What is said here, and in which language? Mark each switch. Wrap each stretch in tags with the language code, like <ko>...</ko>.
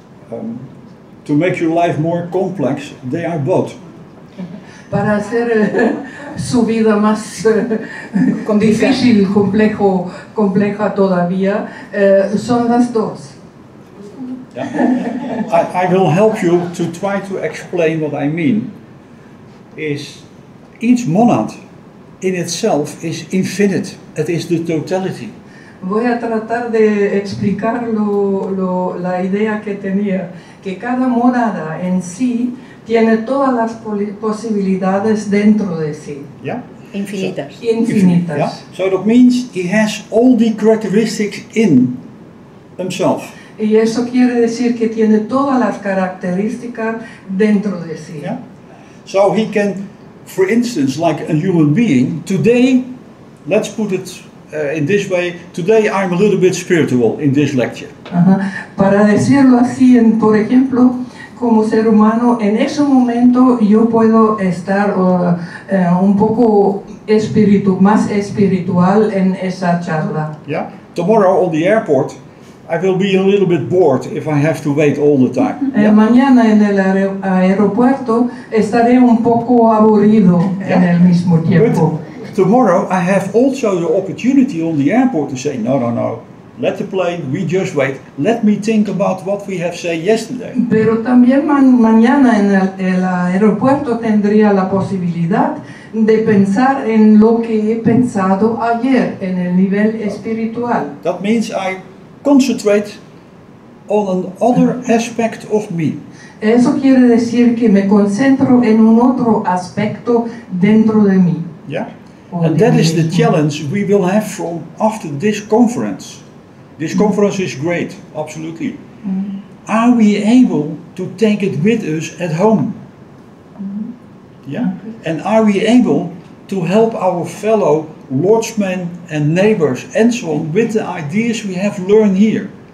<en>To make your life more complex, they are both.</en> <es>Para hacer su vida más difícil, compleja todavía, son las dos.</es> <en>I will help you to try to explain what I mean. Is each monad in itself is infinite. It is the totality.</en> <es>Voy a tratar de explicar la idea que tenía, que cada monada en sí tiene todas las posibilidades dentro de sí.</es> <en>Yeah.</en> <es>Infinitas.</es> <en>So, infinitas. Yeah. So that means he has all the characteristics in himself.</en> <es>Y eso quiere decir que tiene todas las características dentro de sí.</es> <en>Yeah. So he can, for instance, like a human being, today, let's put it in this way, today I'm a little bit spiritual in this lecture.</en> <es>Para decirlo así, en, por ejemplo, como ser humano, en ese momento yo puedo estar un poco más espiritual en esa charla.</es> <en>Yeah, tomorrow on the airport, I will be a little bit bored if I have to wait all the time. Yeah.</en> <es>Mañana en el aeropuerto estaré un poco aburrido en el mismo tiempo.</es> <en>But tomorrow I have also the opportunity on the airport to say, no, no, no, let the plane, we just wait, let me think about what we have said yesterday.</en> <es>Pero también mañana en el aeropuerto tendría la posibilidad de pensar en lo que he pensado ayer en el nivel espiritual.</es> <en>That means I concentrate on another aspect of me.</en> <es>Eso quiere decir que me concentro en un otro aspecto dentro de mí.</es> <en>Yeah. And that is the challenge we will have from after this conference. This conference is great, absolutely. Mm-hmm. Are we able to take it with us at home? Mm-hmm. Yeah. And are we able to help our fellow lodgemen and neighbors and so on with the ideas we have learned here?</en>